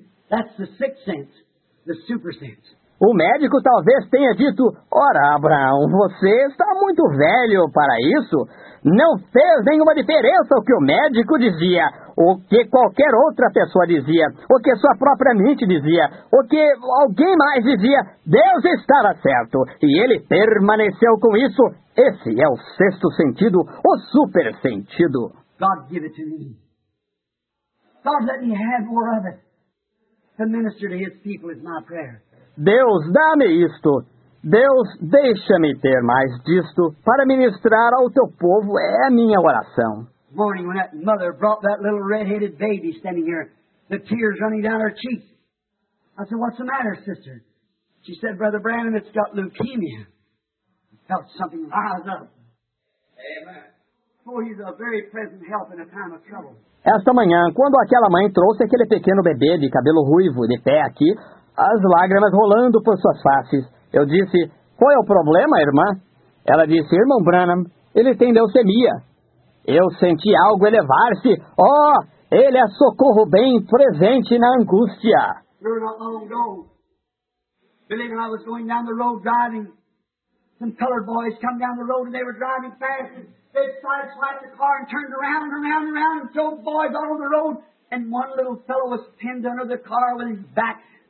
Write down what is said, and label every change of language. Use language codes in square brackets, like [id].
[en] That's the sixth sense, the super sense. [pt] O médico talvez tenha dito, ora, Abraão, você está muito velho para isso. Não fez nenhuma diferença o que o médico dizia, o que qualquer outra pessoa dizia, o que sua própria mente dizia, o que alguém mais dizia. Deus estava certo, e ele permaneceu com isso. Esse é o sexto sentido, o super sentido. [en] God, give it to me. God, let me have more of it. To minister to his people is my prayer. [pt] Deus, dá-me isto. Deus, deixa-me ter mais disto para ministrar ao teu povo. É a minha oração. [en] Morning when that mother brought that little red-headed baby standing here, the tears running down her cheek. I said, what's the matter, sister? She said, Brother Branham, it's got leukemia. I felt something rise up. Amen. For he's a very present help in a time of trouble. [pt] Esta manhã, quando aquela mãe trouxe aquele pequeno bebê de cabelo ruivo de pé aqui, as lágrimas rolando por suas faces. Eu disse, qual é o problema, irmã? Ela disse, irmão Branham, ele tem leucemia. Eu senti algo elevar-se. Oh, ele é socorro bem presente na angústia. Não era muito tempo. Acredito que eu estava indo [en] down the road driving. Some colored boys come down the road and they were driving fast. They tried to swipe the car and turned around and around and around and showed boys all over the road. And one little fellow was pinned under the car with his back.